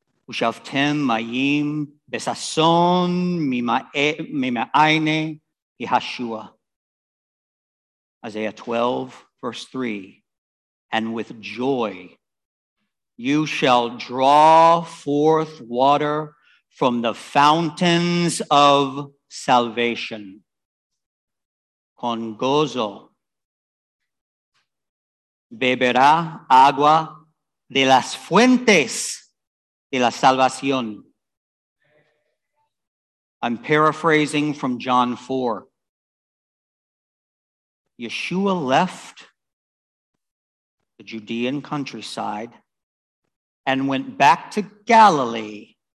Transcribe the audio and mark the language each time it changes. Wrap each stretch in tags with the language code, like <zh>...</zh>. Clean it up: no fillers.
<he>Ushavtem mayim besason mima'ayne yehashua.</he> <en>Isaiah 12, verse 3. And with joy, you shall draw forth water from the fountains of salvation.</en> <es>Con gozo, beberá agua de las fuentes de la salvación.</es> <en>I'm paraphrasing from John 4. Yeshua left the Judean countryside and went back to Galilee.</en>